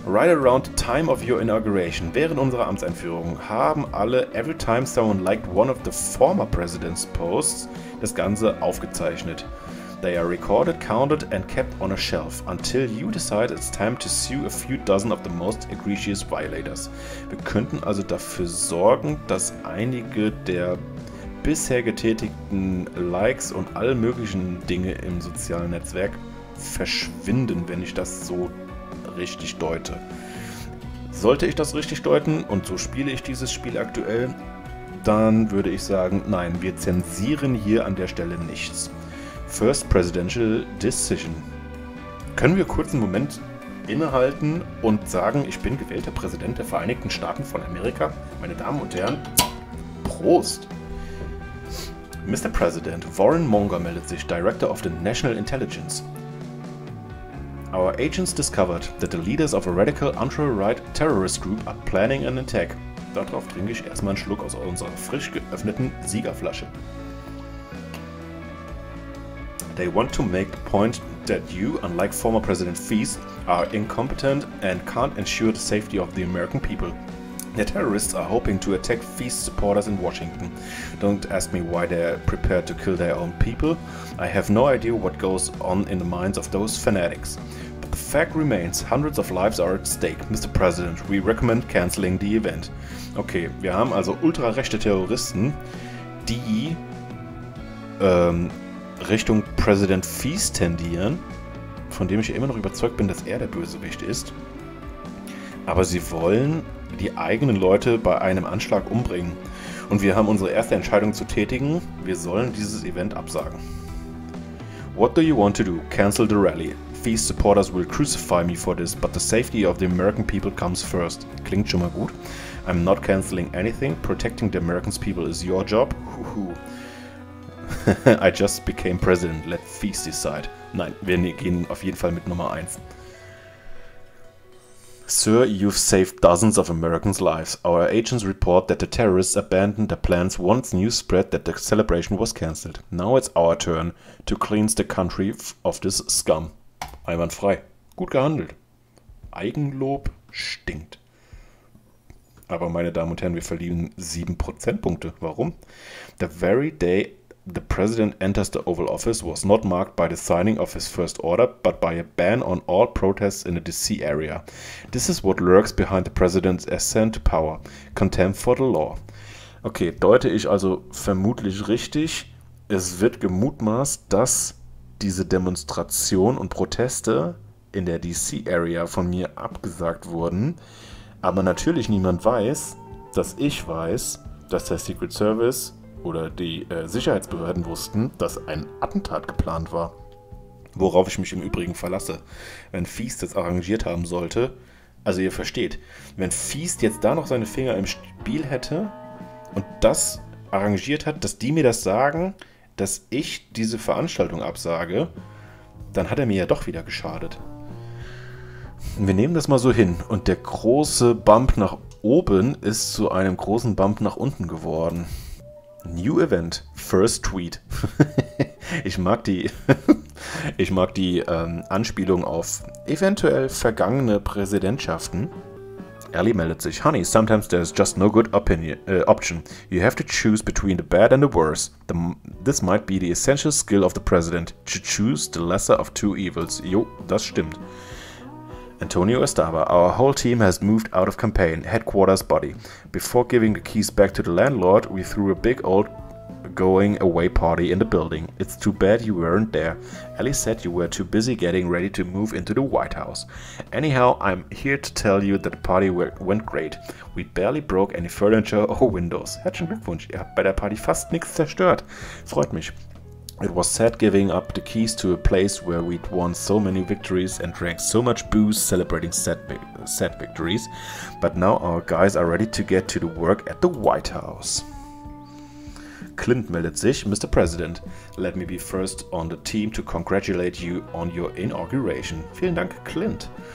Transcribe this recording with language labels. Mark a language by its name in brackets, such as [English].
[English] Right around the time of your inauguration. [German] Während unserer Amtseinführung haben alle [English] every time someone liked one of the former president's posts [German] das Ganze aufgezeichnet. [English] They are recorded, counted and kept on a shelf until you decide it's time to sue a few dozen of the most egregious violators. [German] Wir könnten also dafür sorgen, dass einige der bisher getätigten Likes und all möglichen Dinge im sozialen Netzwerk verschwinden, wenn ich das so richtig deute. Sollte ich das richtig deuten, und so spiele ich dieses Spiel aktuell, dann würde ich sagen, nein, wir zensieren hier an der Stelle nichts. [English] First Presidential Decision. [German] Können wir kurz einen Moment innehalten und sagen, ich bin gewählter Präsident der Vereinigten Staaten von Amerika? Meine Damen und Herren, Prost! Mr. President, Warren Munger meldet sich, [English] Director of the National Intelligence. Our agents discovered that the leaders of a radical ultra-right terrorist group are planning an attack. [German] Darauf trinke ich erstmal einen Schluck aus unserer frisch geöffneten Siegerflasche. [English] They want to make the point that you, unlike former President Feast, are incompetent and can't ensure the safety of the American people. The terrorists are hoping to attack Feast supporters in Washington. Don't ask me why they're prepared to kill their own people. I have no idea what goes on in the minds of those fanatics. But the fact remains, hundreds of lives are at stake. Mr. President, we recommend canceling the event. [German] Okay, wir haben also ultrarechte Terroristen, die Richtung President Feast tendieren, von dem ich immer noch überzeugt bin, dass er der Bösewicht ist. Aber sie wollen die eigenen Leute bei einem Anschlag umbringen. Und wir haben unsere erste Entscheidung zu tätigen. Wir sollen dieses Event absagen. [English] What do you want to do? Cancel the rally. Feast supporters will crucify me for this, but the safety of the American people comes first. [German] Klingt schon mal gut. [English] I'm not canceling anything. Protecting the American people is your job. I just became president. Let Feast decide. [German] Nein, wir gehen auf jeden Fall mit Nummer 1. [English] Sir, you've saved dozens of Americans' lives. Our agents report that the terrorists abandoned their plans once news spread that the celebration was cancelled. Now it's our turn to cleanse the country of this scum. [German] Einwandfrei. Gut gehandelt. Eigenlob stinkt. Aber meine Damen und Herren, wir verlieren 7 Prozentpunkte. Warum? [English] The very day the president enters the Oval Office was not marked by the signing of his first order, but by a ban on all protests in the DC area. This is what lurks behind the president's ascent to power. Contempt for the law. [German] Okay, deute ich also vermutlich richtig. Es wird gemutmaßt, dass diese Demonstration und Proteste in der DC area von mir abgesagt wurden. Aber natürlich niemand weiß, dass ich weiß, dass der Secret Service oder die Sicherheitsbehörden wussten, dass ein Attentat geplant war. Worauf ich mich im Übrigen verlasse. Wenn Feast das arrangiert haben sollte, also ihr versteht, wenn Feast jetzt da noch seine Finger im Spiel hätte und das arrangiert hat, dass die mir das sagen, dass ich diese Veranstaltung absage, dann hat er mir ja doch wieder geschadet. Wir nehmen das mal so hin. Und der große Bump nach oben ist zu einem großen Bump nach unten geworden. [English] New Event, First Tweet. [German] Ich mag die Anspielung auf eventuell vergangene Präsidentschaften. Ellie meldet sich. [English] Honey, sometimes there's just no good option. You have to choose between the bad and the worse. This might be the essential skill of the president. To choose the lesser of two evils. [German] Jo, das stimmt. [English] Antonio Estaba, our whole team has moved out of campaign, headquarters body. Before giving the keys back to the landlord, we threw a big old going away party in the building. It's too bad you weren't there. Ellie said you were too busy getting ready to move into the White House. Anyhow, I'm here to tell you that the party went great. We barely broke any furniture or windows. [German] Herzlichen Glückwunsch, ihr habt bei der Party fast nichts zerstört. Freut mich. [English] It was sad giving up the keys to a place where we'd won so many victories and drank so much booze celebrating said victories, but now our guys are ready to get to the work at the White House. [German] Clint meldet sich, [English] Mr. President, let me be first on the team to congratulate you on your inauguration. [German] Vielen Dank, Clint.